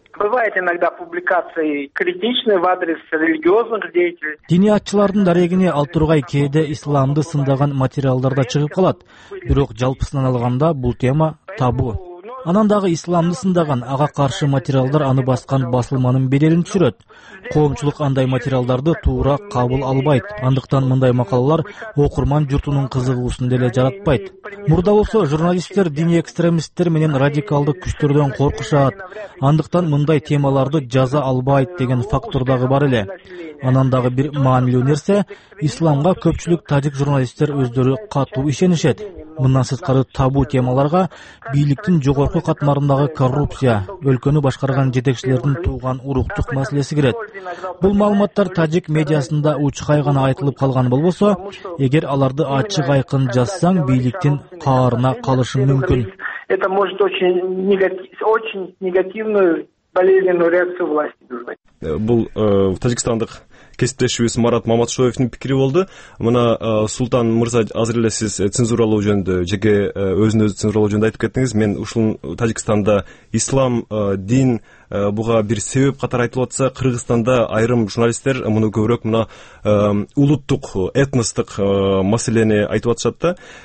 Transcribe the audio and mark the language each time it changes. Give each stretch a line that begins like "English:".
Russian: Бывает иногда публикации критичны в адрес религиозных деятелей.
Kyrgyz: Диний атчылардын дарегине ал тургай кээде исламды сындаган материалдар да чыгып калат. Бирок жалпысынан алганда бул тема табу. Анан дагы исламды сындаган ага каршы материалдар аны баскан басылманын беделин түшүрөт. Коомчулук андай материалдарды туура кабыл албайт. Андыктан мындай макалалар окурман журтунун кызыгуусун деле жаратпайт. Мурда болсо журналисттер диний экстремисттер менен радикалдык күчтөрдөн коркушат. Андыктан мындай темаларды жаза албайт деген фактор дагы бар эле. Анан дагы бир маанилүү нерсе, исламга көпчүлүк тажик журналисттер өздөрү катуу ишенишет. Мындан сырткары табу темаларга бийликтин жогорку катмарындагы коррупция, өлкөнү башкарган жетекчилердин тууган уруктук маселеси кирет. Бул маалыматтар тажик медиасында учкай гана айтылып калган болбосо, эгер аларды ачык айкын жазсаң, бийликтин каарына калышы мүмкүн.
Russian: Это может очень негативную болезненную реакцию власти
Kyrgyz: вызвать. Бул тажикстандык кесиптешибиз Марат Маматшоевдин пикири болду. Мына Султан Мырза, азыр эле сиз цензуралоо жөнүндө, жеке өзүн өзү цензуралоо жөнүндө айтып кеттиңиз. Мен ушун Тажикстанда ислам дин буга бир себеп катары айтылып атса, Кыргызстанда айрым журналисттер муну көбүрөөк мына улуттук, этностук маселени айтып атышат да.